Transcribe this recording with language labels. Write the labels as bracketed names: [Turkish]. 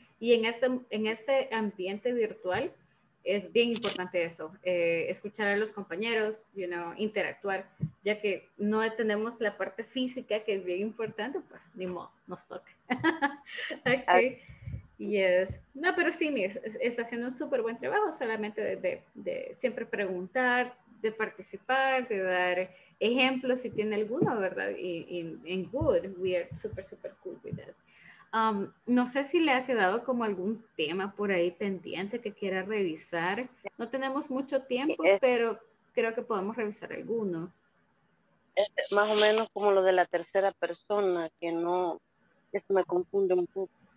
[Spanish] Y en este ambiente virtual es bien importante eso, escuchar a los compañeros, you know, interactuar, ya que no tenemos la parte física que es bien importante, pues ni modo, nos toca. Okay. Yes. No, pero sí, Miss, está haciendo un súper buen trabajo, solamente de siempre preguntar, de participar, de dar ejemplos si tiene alguno, ¿verdad? [English] Y good, we are super, super cool with that. [Spanish] No sé si le ha quedado como algún tema por ahí pendiente que quiera revisar. No tenemos mucho tiempo, pero creo que podemos revisar alguno. Más o menos como lo de la tercera persona, que no, esto me confunde un poco.